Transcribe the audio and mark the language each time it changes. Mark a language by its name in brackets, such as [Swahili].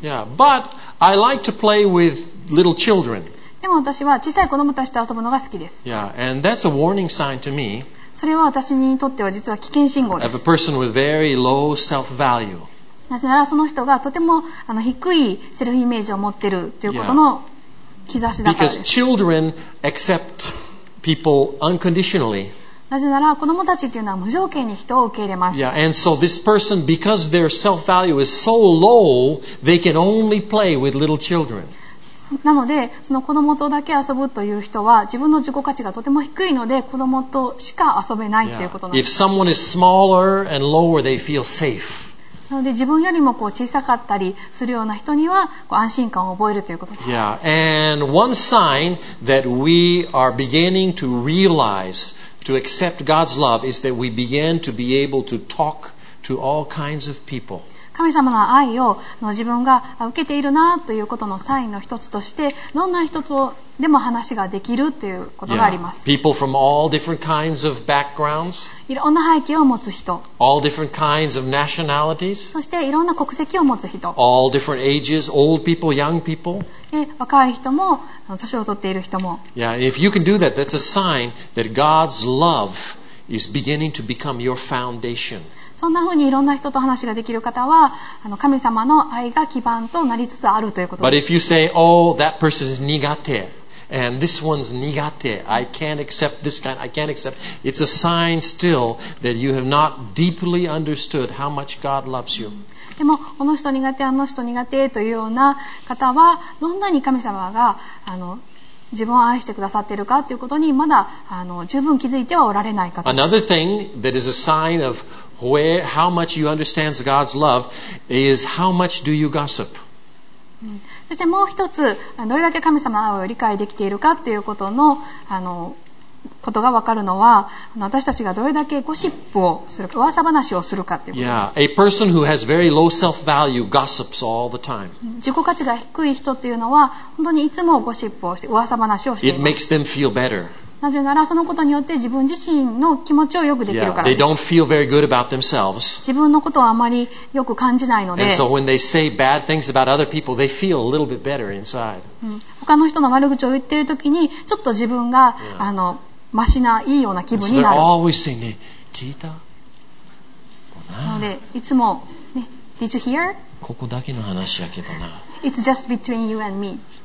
[English] Yeah, but I like to play with little children. [Japanese] でも私は小さい子供たちと遊ぶのが好きです。 [English] Yeah, and that's a warning sign to me. [Japanese] それは私にとっては実は危険信号です。 [English] I have a person with very low self-value. [Japanese] なぜならその人がとても低いセルフイメージを持っているということの兆しだからです。 [English] Because children accept people unconditionally. [Japanese] なぜなら子供たちというのは無条件に人を受け入れます。 [English] Yeah, and so this person, because their self-value is so low, they can only play with little children. [Japanese] なのでその子供とだけ遊ぶという人は自分の自己価値がとても低いので子供としか遊べないということなんです。 [English] Yeah. If someone is smaller and lower, they feel safe. [Japanese] なので自分よりもこう小さかったりするような人にはこう安心感を覚えるということです。 [English] Yeah, and one sign that we are beginning to realize to accept God's love is that we begin to be able to talk to all kinds of people. [Japanese] 神様の愛を自分が受けているなということのサインの一つとして、どんな人とでも話ができるということがあります。 [English] yeah, people from all different kinds of backgrounds, [Japanese] いろんな背景を持つ人、 [English] all different kinds of nationalities, [Japanese] そしていろんな国籍を持つ人、 [English] all different ages, old people, young people, [Japanese] で若い人も年を取っている人も、 [English] yeah, if you can do that, that's a sign that God's love is beginning to become your foundation. [Japanese] そんな風にいろんな人と話ができる方は、神様の愛が基盤となりつつあるということです。 [English] But if you say, oh, that person is 苦手 and this one's 苦手, I can't accept this guy, I can't accept, it's a sign still that you have not deeply understood how much God loves you. [Japanese] でもこの人苦手、あの人苦手というような方は、どんなに神様が自分を愛してくださっているかということにまだ十分気づいてはおられない方です。 [English] Another thing that is a sign ofWhere, how much you understand God's love is how much do you gossip? [Japanese] そしてもう一つ、どれだけ神様の愛を理解できているかということのことが分かるのは、私たちがどれだけゴシップをする、噂話をするかということです。 [English] Yeah, a person who has very low self-value gossips all the time. [Japanese] 自己価値が低い人というのは、本当にいつもゴシップをして、噂話をしています。 [English] It makes them feel better. [Japanese] なぜならそのことによって自分自身の気持ちをよくできるからです。 [English] They don't feel very good about themselves. [Japanese] 自分のことをあまりよく感じないので。 [English] And so when they say bad things about other people, they feel a little bit better inside. [Japanese] 他の人の悪口を言っているときに、ちょっと自分が、yeah. マシな、いいような気分になる。 [English] And so they're always saying, [Japanese] ね、聞いた？なのでいつも、ね、 [English] Did you hear? [Japanese] ここだけの話やけどな。 [English] It's just between you and me.